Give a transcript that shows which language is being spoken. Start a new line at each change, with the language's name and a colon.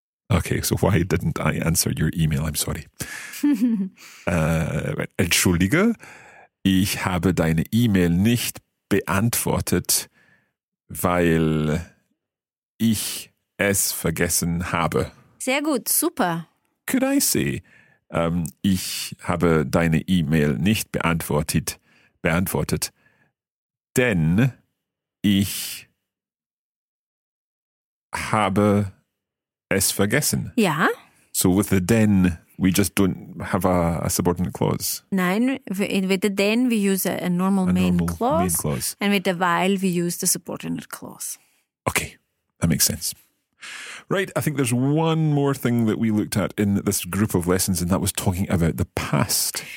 English: Okay, so why didn't I answer your E-Mail? I'm sorry.
German: Entschuldige, ich habe deine E-Mail nicht beantwortet, weil ich es vergessen habe. Sehr gut, super.
English: Could I say,
German: ich habe deine E-Mail nicht beantwortet, denn ich habe es vergessen. Ja.
English: So with the denn, we just don't have a subordinate clause. Nein, with the then we use a normal main clause. And with the while we use the subordinate clause. Okay, that makes sense. Right, I think there's one more thing that we looked at in this group of lessons, and that was talking about the past.